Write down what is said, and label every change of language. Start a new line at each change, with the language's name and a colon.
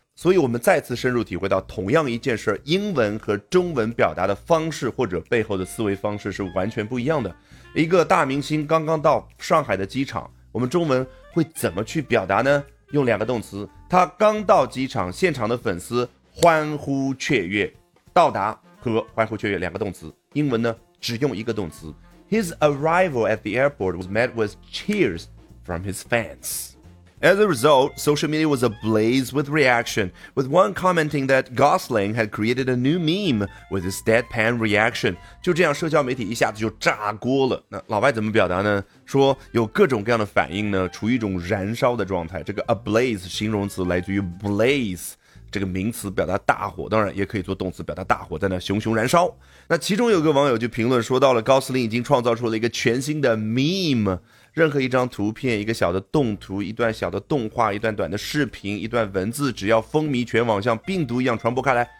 Chinese: 所以我们再次深入体会到同样一件事英文和中文表达的方式或者背后的思维方式是完全不一样的。一个大明星刚刚到上海的机场，我们中文会怎么去表达呢？用两个动词，他刚到机场，现场的粉丝欢呼雀跃，到达和欢呼雀跃两个动词。英文呢只用一个动词，
English: His arrival at the airport was met with cheersfrom his fans. As a result, social media was ablaze with reaction, with one commenting that Gosling had created a new meme with his deadpan reaction.
Chinese: 就这样社交媒体一下子就炸锅了。那老外怎么表达呢？说有各种各样的反应呢，处于一种燃烧的状态。这个 ablaze 形容词来自于 blaze，这个名词表达大火，当然也可以做动词表达大火在那熊熊燃烧。那其中有个网友就评论说到了，高司令已经创造出了一个全新的 meme， 任何一张图片，一个小的动图，一段小的动画，一段短的视频，一段文字，只要风靡全网，像病毒一样传播开来，